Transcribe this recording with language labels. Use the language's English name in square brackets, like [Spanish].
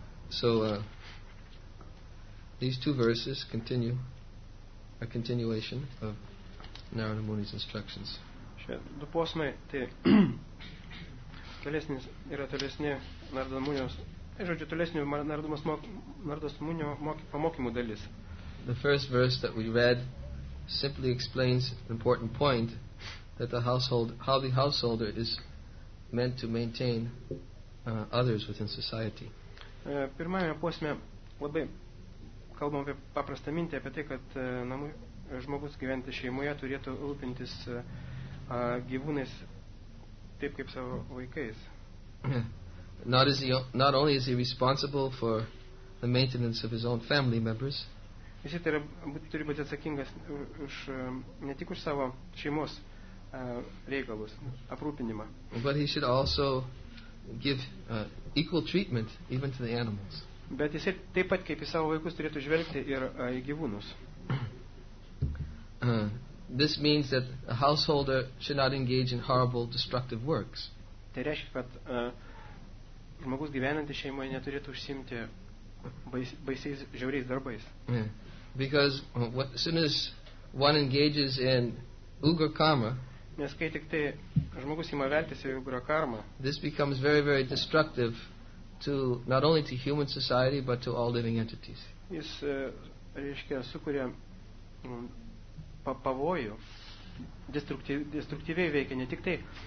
[English] So these two verses continue a continuation of Narada Muni's instructions. [Lithuanian] Du posmai, tai tolesnis yra tolesni Narada Munios, žodžiu, tolesnių Narada Munio pamokymų dalis. [English] The first verse that we read simply explains an important point that the household, how the householder is meant to maintain others within society. [Lithuanian] Pirmame posme labai kalbam apie paprastą mintį, apie tai, kad žmogus gyventi šeimoje turėtų rūpintis gyvūnais taip kaip savo vaikais. [English] Not only is he responsible for the maintenance of his own family members. [Lithuanian] Jis turi būti atsakingas už ne tik už savo šeimos reikalus, aprūpinimą. [English] But he should also give equal treatment even to the animals. [Lithuanian] Bet jis taip pat kaip į savo vaikus turėtų žvelgti ir į gyvūnus. [English] This means that a householder should not engage in horrible destructive works. [Lithuanian] Tai reiškia, kad žmogus gyvenantis šeimoje neturėtų užsiimti baisiais žiauriais darbais. [English] Because as soon as one engages in ugra karma, [Lithuanian] nes kai tik tai žmogus ima veltis į ugra karmą, [English] this becomes very, very destructive to not only to human society but to all living entities. [Lithuanian] Jis reiškia sukuria pavojų, destruktyviai veikia ne tik tai